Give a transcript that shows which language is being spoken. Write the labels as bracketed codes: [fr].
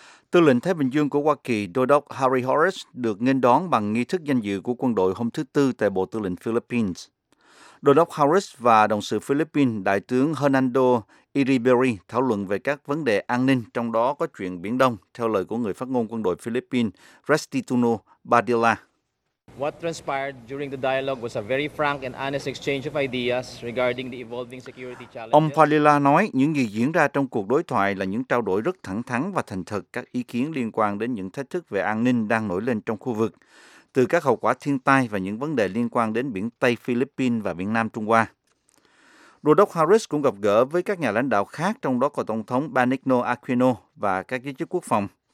[vi] Tư lệnh Thái Bình Dương của Hoa Kỳ, Đô đốc Harry Horace, được nghênh đón bằng nghi thức danh dự của quân đội hôm thứ Tư tại Bộ Tư lệnh Philippines. Đô đốc Harris và đồng sự Philippines Đại tướng Hernando Iriberri thảo luận về các vấn đề an ninh, trong đó có chuyện Biển Đông, theo lời của người phát ngôn quân đội Philippines Restituno Badilla. [en] What transpired during the dialogue was a very frank and honest exchange of ideas regarding the evolving security challenges. [vi] Ông Padilla nói những gì diễn ra trong cuộc đối thoại là những trao đổi rất thẳng thắn và thành thực các ý kiến liên quan đến những thách thức về an ninh đang nổi lên trong khu vực, từ các hậu quả thiên tai và những vấn đề liên quan đến biển Tây Philippines và biển Nam Trung Hoa. Đô đốc Harris cũng gặp gỡ với các nhà lãnh đạo khác, trong đó có Tổng thống Benigno Aquino và các giới chức quốc phòng.